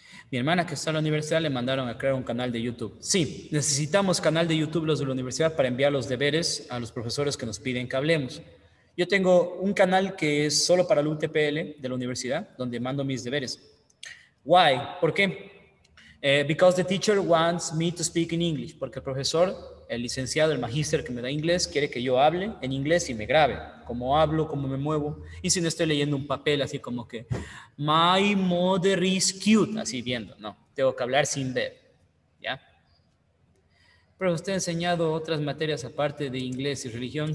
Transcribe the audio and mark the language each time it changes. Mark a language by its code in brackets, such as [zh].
[es] Mi hermana que está en la universidad le mandaron a crear un canal de YouTube. Sí, necesitamos canal de YouTube los de la universidad para enviar los deberes a los profesores que nos piden que hablemos. Yo tengo un canal que es solo para el UTPL de la universidad, donde mando mis deberes. [en] Why? [es] ¿Por qué? [en] Because the teacher wants me to speak in English. [es] Porque el profesor, el licenciado, el magíster que me da inglés, quiere que yo hable en inglés y me grabe. Cómo hablo, cómo me muevo. Y si no estoy leyendo un papel así como que, [en] my mother is cute, [es] así viendo. No, tengo que hablar sin ver. ¿Ya? Pero usted ha enseñado otras materias aparte de inglés y religión.